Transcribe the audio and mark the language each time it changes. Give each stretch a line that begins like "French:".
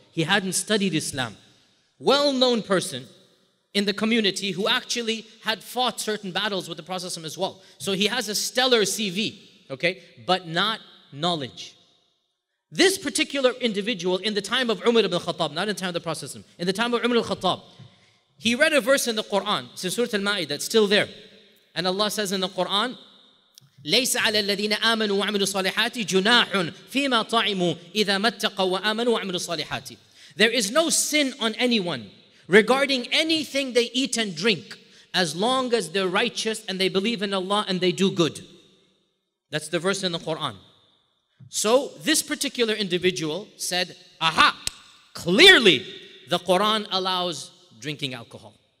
English: He hadn't studied Islam. Well-known person in the community who actually had fought certain battles with the Prophet as well. So he has a stellar CV, okay, but not knowledge. This particular individual in the time of Umar ibn al-Khattab, not in the time of the Prophet, in the time of Umar al-Khattab, he read a verse in the Quran, it's in Surah Al-Ma'idah, that's still there. And Allah says in the Quran,
Arabic: لَيْسَ عَلَى الَّذِينَ آمَنُوا وَعَمِلُوا صَالِحَاتِ جُنَاحٌ فِي مَا طَعِمُوا إِذَا مَتَّقَوا وَآمَنُوا وَعَمِلُوا صَالِحَاتِ.
English: There is no sin on anyone regarding anything they eat and drink as long as they're righteous and they believe in Allah and they do good. That's the verse in the Quran. So this particular individual said, aha, clearly the Quran allows drinking alcohol.